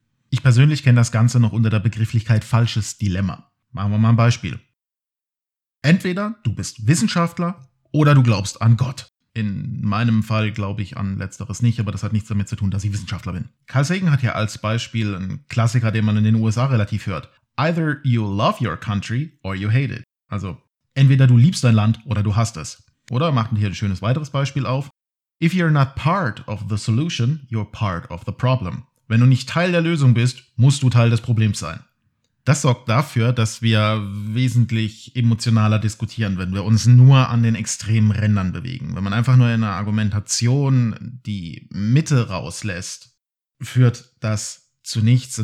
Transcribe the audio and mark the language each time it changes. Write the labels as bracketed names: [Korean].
[German] Ich persönlich kenne das Ganze noch unter der Begrifflichkeit falsches Dilemma. Machen wir mal ein Beispiel. Entweder du bist Wissenschaftler oder du glaubst an Gott. In meinem Fall glaube ich an Letzteres nicht, aber das hat nichts damit zu tun, dass ich Wissenschaftler bin. Carl Sagan hat ja als Beispiel einen Klassiker, den man in den USA relativ hört. [English] Either you love your country or you hate it. [German] Also, entweder du liebst dein Land oder du hasst es. Oder macht hier ein schönes weiteres Beispiel auf. [English] If you're not part of the solution, you're part of the problem. [German] Wenn du nicht Teil der Lösung bist, musst du Teil des Problems sein. Das sorgt dafür, dass wir wesentlich emotionaler diskutieren, wenn wir uns nur an den extremen Rändern bewegen. Wenn man einfach nur in einer Argumentation die Mitte rauslässt, führt das zu nichts.